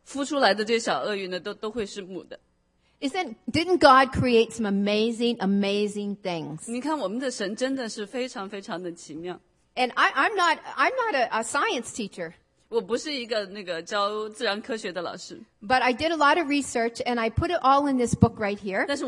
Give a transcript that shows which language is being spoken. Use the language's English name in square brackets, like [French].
[Chinese] 孵出来的这些小鳄鱼呢，都会是母的。 [English] Didn't God create some amazing things? [Chinese] 你看我们的神真的是非常非常的奇妙。 [English] And I'm not a science teacher. [Chinese] 我不是一个那个教自然科学的老师。 [English] But I did a lot of research and I put it all in this book right here.